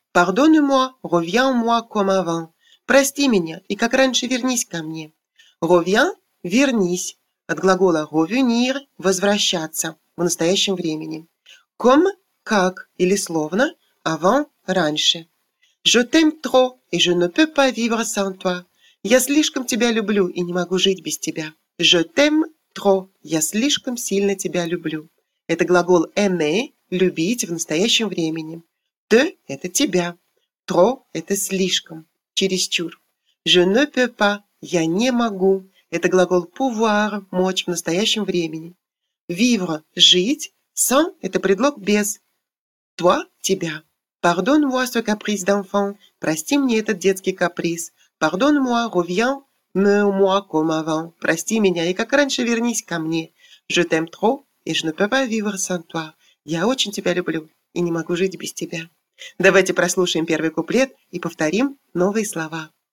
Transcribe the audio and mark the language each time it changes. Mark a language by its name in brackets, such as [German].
[French] «Pardonne-moi, reviens-moi comme avant» [Russian] – «Прости меня и как раньше вернись ко мне». «Reviens» – «вернись» – от глагола «revenir» – «возвращаться» в настоящем времени. «Comme» – «как» или словно, «avant» – «раньше». [French] «Je t'aime trop et je ne peux pas vivre sans toi» – [Russian] «Я слишком тебя люблю и не могу жить без тебя». [French] «Je t'aime trop» [Russian] – «Я слишком сильно тебя люблю». Это глагол «aimer» – «любить» в настоящем времени. «Te» – это «тебя», «tro» – это «слишком», «чересчур». [French] «Je ne peux pas» [Russian] – «я не могу» – это глагол «pouvoir» – «мочь» в настоящем времени. «Vivre» – «жить», «sans» – это предлог «без», «toi» – «тебя». [French] «Pardonne-moi ce caprice d'enfant» – [Russian] «прости мне этот детский каприз». [French] «Pardonne-moi, reviens» – Mets-moi comme avant, [Russian] прости меня и как раньше вернись ко мне. [French] Je t'aime trop et je ne peux pas vivre sans toi. [Russian] Я очень тебя люблю и не могу жить без тебя. Давайте прослушаем первый куплет и повторим новые слова.